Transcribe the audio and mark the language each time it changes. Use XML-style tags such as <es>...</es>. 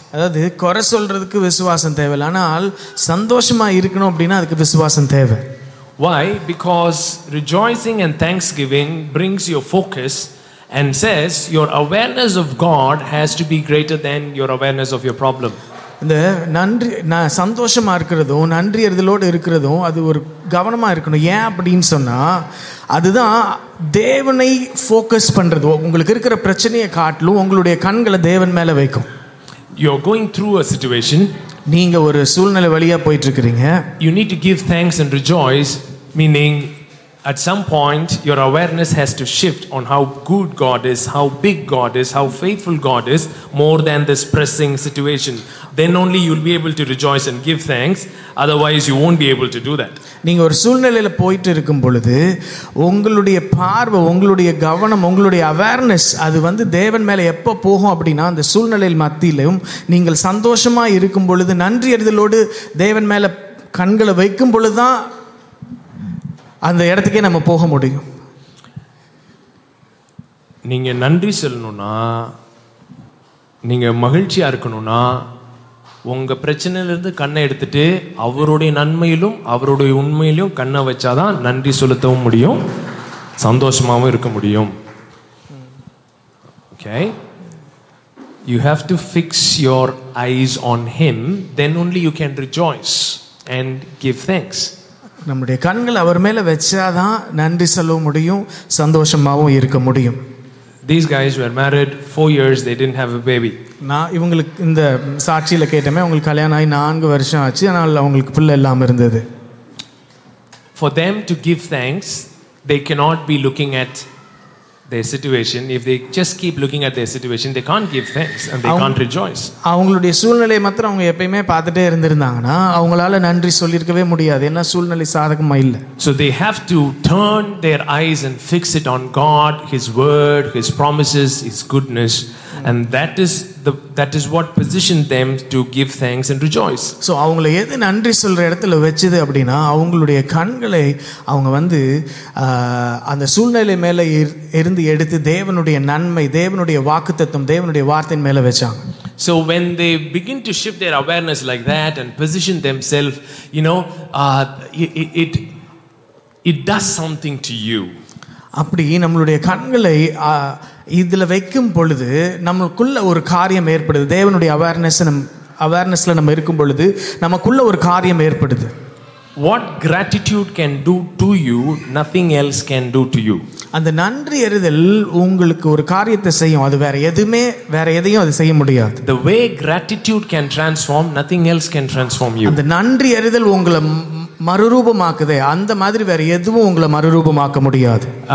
<ta>அதாவது குறை சொல்றதுக்கு விசுவாசம் தேவை, ஆனால் சந்தோஷமா இருக்கணும் அப்படின்னா அதுக்கு விசுவாசம் தேவை.</ta> <en>Why? Because rejoicing and thanksgiving brings your focus and says your awareness of God has to be greater than your awareness of your problem.</en> <ta>இந்த நன்றி சந்தோஷமா இருக்கிறதும் நன்றி அறிதலோடு இருக்கிறதும் அது ஒரு கவனமா இருக்கணும். ஏன் அப்படின்னு சொன்னா அதுதான் தேவனை ஃபோக்கஸ் பண்றது, உங்களுக்கு இருக்கிற பிரச்சனையை காட்டிலும் உங்களுடைய கண்களை தேவன் மேல வைக்கும்.</ta> <en>You are going through a situation.</en> <ta>நீங்க ஒரு சூழ்நிலை வழியா போயிட்டு இருக்கிறீங்க.</ta> <en>You need to give thanks and rejoice, meaning at some point your awareness has to shift on how good God is, how big God is, how faithful God is, more than this pressing situation. Then only you'll be able to rejoice and give thanks, otherwise you won't be able to do that.</en> <ta>நீங்க ஒரு சூழ்நிலையில போயிட்டு இருக்கும் பொழுது உங்களுடைய பார்வை, உங்களுடைய கவனம், உங்களுடைய அவேர்னஸ் அது வந்து தேவன் மேல எப்ப போகும் அப்படின்னா அந்த சூழ்நிலையில் மத்தியிலும் நீங்கள் சந்தோஷமா இருக்கும் பொழுது நன்றி அறிதலோடு தேவன் மேல கண்களை வைக்கும் பொழுதுதான் அந்த இடத்துக்கே நம்ம போக முடியும். நீங்க நன்றி சொல்லணும்னா, நீங்க மகிழ்ச்சியா இருக்கணும்னா, உங்க பிரச்சனையிலிருந்து கண்ணை எடுத்துட்டு அவருடைய நன்மையிலும் அவருடைய உண்மையிலும் கண்ணை வச்சாதான் நன்றி செலுத்தவும் முடியும், சந்தோஷமாகவும் இருக்க முடியும்.</ta> <en>Okay? You have to fix your eyes on him, then only you can rejoice and give thanks.</en> <ta>நம்முடைய கண்கள் அவர் மேல வச்சாதான் நன்றி சொல்ல முடியும், சந்தோஷமாவும் இருக்க முடியும்.</ta> <en>These guys were married 4 years, they didn't have a baby.</en> <ta>நான் இவங்களுக்கு இந்த சாட்சியில கேட்டமே உங்களுக்கு கல்யாணம் ஆகி 4 வருஷம் ஆச்சு, ஆனால் அவங்களுக்கு பிள்ளை இல்லாம இருந்தது.</ta> <en>For them to give thanks, they cannot be looking at their situation. If they just keep looking at their situation, they can't give thanks and they can't rejoice.</en> <ta>அவங்களுடைய சூழ்நிலையை மட்டும் அவங்க எப்பயுமே பார்த்துட்டே இருந்திருந்தாங்கன்னா அவங்களால நன்றி சொல்லிருக்கவே முடியாது, ஏன்னா சூழ்நிலை சாதகமா இல்ல.</ta> <en>So they have to turn their eyes and fix it on God, his word, his promises, his goodness, and that is what positioned them to give thanks and rejoice.</en> <ta>So அவங்கள எது நன்றி சொல்ற இடத்துல வெச்சது அப்படினா அவங்களுடைய கண்களை அவங்க வந்து அந்த சூழ்நிலை மேல இருந்து எடுத்து தேவனுடைய நன்மை, தேவனுடைய வாக்குத்தத்தம், தேவனுடைய வார்த்தையின் மேல வெச்சாங்க.</ta> <en>So when they begin to shift their awareness like that and position themselves, you know, it it does something to you.</en> <ta>அப்படி நம்மளுடைய கண்களை இதுல வைக்கும் பொழுது நமக்குள்ள ஒரு காரியம் ஏற்படுது. தேவனுடைய அவேர்னஸ்ல நம்ம இருக்கும் பொழுது நமக்குள்ள ஒரு காரியம் ஏற்படுது.</ta> <en>What gratitude can do to you, nothing else can do to you.</en> <ta>அந்த நன்றி எரிதல் உங்களுக்கு ஒரு காரியத்தை செய்யும். அது வேற எதுமே வேற எதையும் அது செய்ய முடியாது.</ta> <en>The way gratitude can transform, nothing else can transform you.</en> <ta>அந்த நன்றி எரிதல் உங்களை மறுரூபமாக்குதே, அந்த மாதிரி வேற எதுவும் உங்களை மறுரூபமாக்க முடியாது.</ta>